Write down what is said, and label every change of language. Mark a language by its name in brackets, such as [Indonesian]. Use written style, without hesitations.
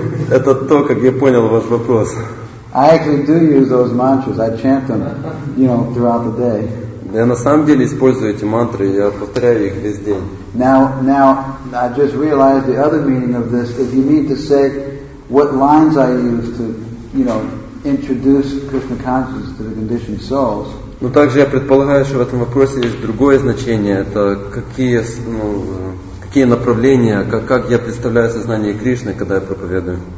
[Russian] Это то, как я понял ваш вопрос. [English] I actually do use those mantras. I chant them, you know, throughout the day. [Russian] Я на самом деле использую эти мантры, я повторяю их весь день. [English] Now, I just realized the other meaning of this. If you mean to say what lines I use to, you know, introduce Krishna consciousness to the conditioned souls. [Russian] Но также я предполагаю, что в этом вопросе есть другое значение. Это какие, какие направления, как я представляю сознание Кришны, когда я проповедую.